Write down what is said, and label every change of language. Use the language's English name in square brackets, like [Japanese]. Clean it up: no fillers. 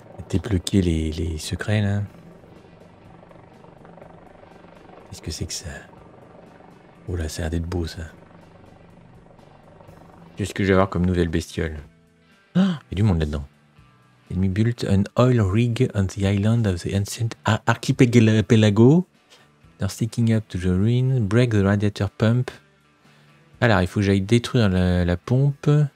[French] Débloquer les secrets là. Qu'est-ce que c'est que ça? Oh là, ça a l'air d'être beau ça. Qu'est-ce que je vais avoir comme nouvelle bestiole? Ah, il y a du monde là-dedans. [English] Enemy built an oil rig on the island of the ancient archipelago. They're sticking up to the ruin. Break the radiator pump. [French] Alors, il faut que j'aille détruire la pompe.